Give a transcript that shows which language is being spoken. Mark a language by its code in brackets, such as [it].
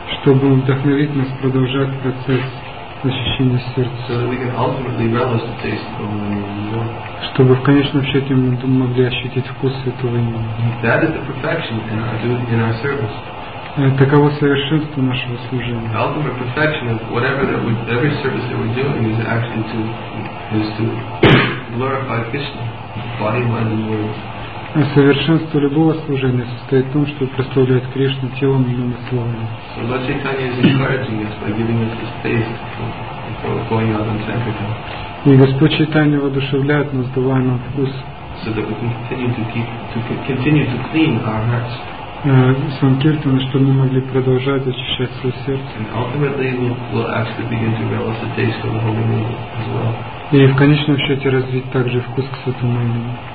[ru] Чтобы вдохновить нас продолжать процесс очищения сердца. [en] So we can ultimately relish the taste of the Lord. [ru] Чтобы в конечном счете мы могли ощутить вкус этого имени. [en] That is the perfection in our service. [ru] Таково совершенство нашего служения. [en] The ultimate perfection of whatever that we, every service that we're doing is actually to, is to glorify Krishna, body, mind, and words. [ru] Совершенство любого служения состоит в том, что прославляет Кришну телом и умом и словом. [en] So Lord Chaitanya is encouraging us by giving us this taste for going out in Sankirtan. [ru] И Господь Чайтанья воодушевляет нас, давая нам вкус. [en] So that we can continue to keep, to continue to clean our hearts. [ru] Санкиртана, чтобы мы могли продолжать очищать свое сердце. [en] And ultimately we'll actually begin to relish the taste of the Holy Name as well. [ru] И в конечном счете развить также вкус к Святому Имени.